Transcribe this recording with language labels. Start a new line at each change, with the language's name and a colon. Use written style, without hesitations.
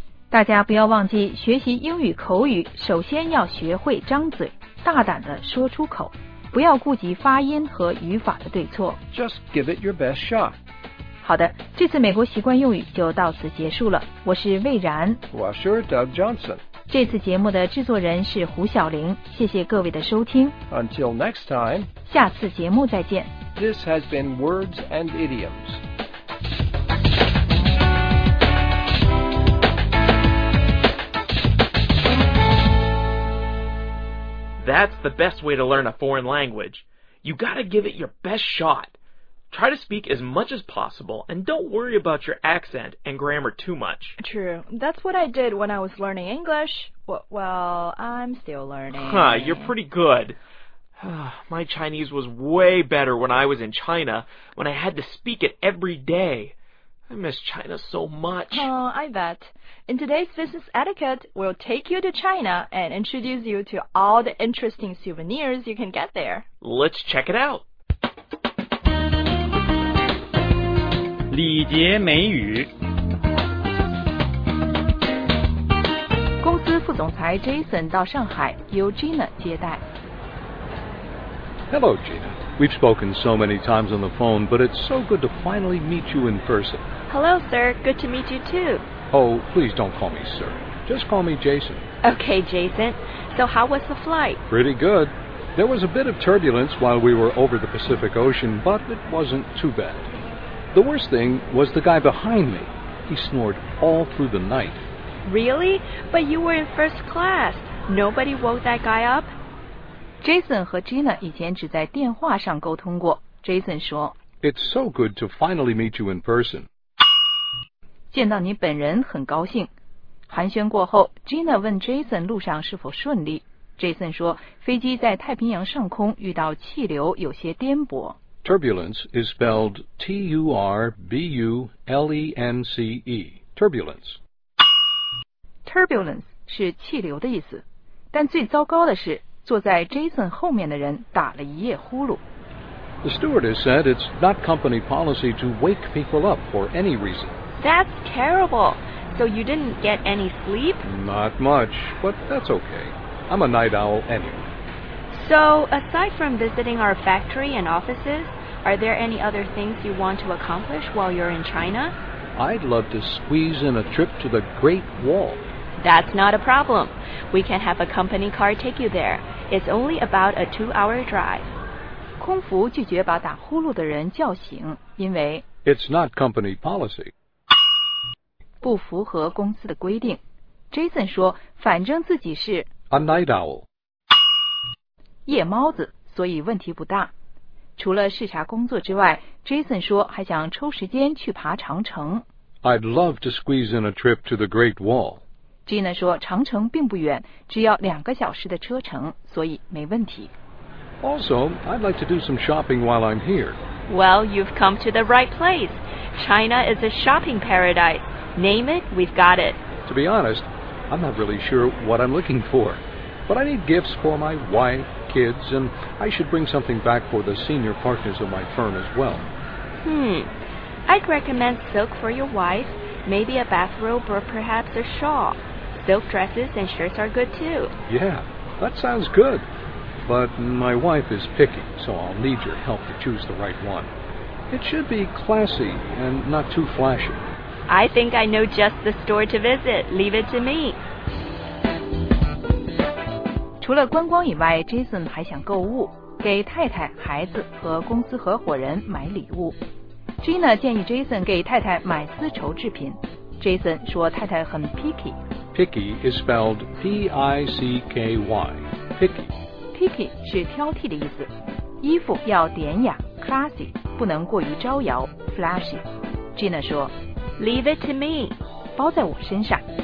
Chinese: 大家不要忘记，学习英语口语，首先要学会张嘴，大胆地说出口。不要顾及发音和语法的对错。
English: Just give it your best shot.
Chinese: 好的，这次美国习惯用语就到此结束了。我是魏然。我是 Doug Johnson。这次节目的制作人是胡晓玲。谢谢各位的收听。
English: Until next time.
Chinese: 下次节目再见。
English: This has been Words and Idioms. That's the best way to learn a foreign language. You gotta give it your best shot. Try to speak as much as possible and don't worry about your accent and grammar too much. True. That's what I did when I was learning English. Well, I'm still learning. Huh, you're pretty good. My Chinese was way better when I was in China, when I had to speak it every day. I miss China so much. Oh, I bet. In today's business etiquette, we'll take you to China and introduce you to all the interesting souvenirs you can get there. Let's check it out.
Chinese: 礼节美语。公司副总裁 Jason 到上海，由 Gina 接待。
English: Hello, Gina. We've spoken so many times on the phone, but it's so good to finally meet you in person. Hello, sir. Good to meet you, too. Oh, please don't call me sir. Just call me Jason. Okay, Jason. So how was the flight? Pretty good. There was a bit of turbulence while we were over the Pacific Ocean, but it wasn't too bad. The worst thing was the guy behind me. He snored all through the night. Really? But you were in first class. Nobody woke that guy up?
Chinese: Jason 和 Gina 以前只在电话上沟通过。 Jason 说
English: It's so good to finally meet you in person.
Chinese: 见到你本人很高兴。寒暄过后 ,Gina 问 Jason 路上是否顺利。 Jason 说飞机在太平洋上空遇到气流有些颠簸。
English: Turbulence is spelled T-U-R-B-U-L-E-N-C-E. Turbulence.
Chinese: Turbulence 是气流的意思。但最糟糕的是坐在 Jason 后面的人打了一夜呼噜。
English: The stewardess said it's not company policy to wake people up for any reason. That's terrible. So you didn't get any sleep? Not much, but that's okay. I'm a night owl anyway. So, aside from visiting our factory and offices, are there any other things you want to accomplish while you're in China? I'd love to squeeze in a trip to the Great Wall. That's not a problem. We can have a company car take you there. It's only about a 2-hour drive.
Chinese: 空服拒绝把打呼噜的人叫醒，因为
English: It's not company policy.
Chinese: 不符合公司的规定。 Jason 说，反正自己是
English: A night owl.
Chinese: 夜猫子，所以问题不大。除了视察工作之外，Jason 说还想抽时间去爬长城。
English: I'd love to squeeze in a trip to the Great Wall.
Chinese: Gina 说长城并不远，只要两个小时的车程，所以没问题。
English: Also, I'd like to do some shopping while I'm here. Well, you've come to the right place. China is a shopping paradise. Name it, we've got it. To be honest, I'm not really sure what I'm looking for. But I need gifts for my wife, kids, and I should bring something back for the senior partners of my firm as well. I'd recommend silk for your wife, maybe a bathrobe or perhaps a shawl. Silk dresses and shirts are good too. Yeah, that sounds good. But my wife is picky, so I'll need your help to choose the right one. It should be classy and not too flashy. I think I know just the store to visit. Leave it to me.
Chinese: 除了观光以外 ,Jason 还想购物，给太太、孩子和公司合伙人买礼物。 Gina 建议 Jason 给太太买丝绸制品。 Jason 说太太很 picky。
English: Picky is spelled P-I-C-K-Y, picky.
Chinese: Picky 是挑剔的意思。衣服要典雅 ,classy, 不能过于招摇 ,flashy。 Gina 说
English: ,Leave it to me,
Chinese: 包在我身上。